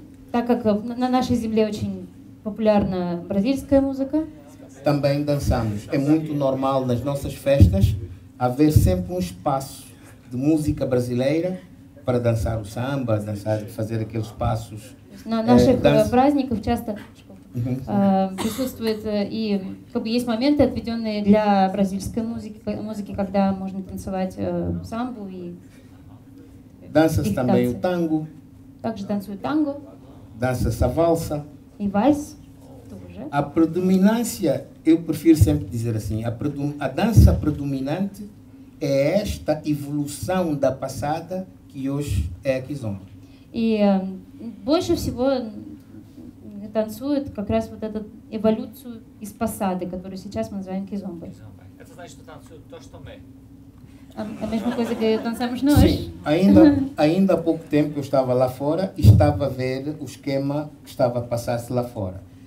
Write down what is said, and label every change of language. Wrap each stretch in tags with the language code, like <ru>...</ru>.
<ru>Так как на нашей земле очень популярна бразильская музыка.</ru> <pt>Também dançamos. É muito normal nas nossas festas haver sempre espaço de música brasileira para dançar o samba, dançar, fazer aqueles passos.</pt> <ru>На наших праздниках часто присутствует и как бы есть моменты, отведенные для бразильской музыки, когда можно танцевать самбу и</ru> <pt>dança-se também o tango.</pt> <ru>Также танцуют танго.</ru> <pt>Dança-se a valsa.</pt> <ru>И вальс тоже.</ru> <pt>A predominância, eu prefiro sempre dizer assim, a dança predominante é esta evolução da passada que hoje é a kizomba.</pt> <ru>И больше всего танцуют как раз вот эту эволюцию из пасады, которую сейчас мы называем кизомбой. Это значит, что танцуют то, что мы.</ru> <pt>A mesma coisa que dançamos nós. Sim. Ainda há pouco tempo eu estava lá fora e estava a ver o esquema que estava a passar-se lá fora.</pt>